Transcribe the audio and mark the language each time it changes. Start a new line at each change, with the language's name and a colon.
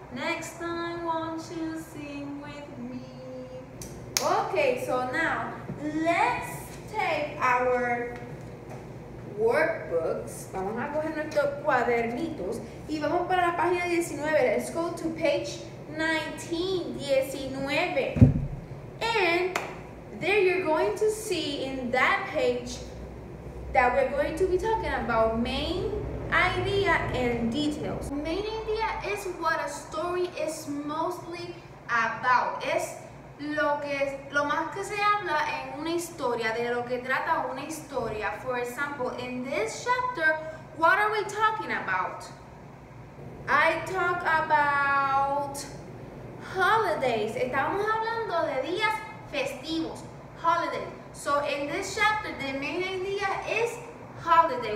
English: Next time, won't you sing with me? Okay, so now let's take our workbooks.
Spanish: Vamos a coger nuestros cuadernitos y vamos para la página 19.
English: Let's go to page 19. 19. And there you're going to see in that page that we're going to be talking about main idea and details. Main idea is what a story is mostly about.
Spanish: Es lo más que se habla en una historia, de lo que trata una historia.
English: For example, in this chapter, what are we talking about? I talk about holidays.
Spanish: Estamos hablando de días festivos, holidays.
English: So in this chapter, the main idea is holiday.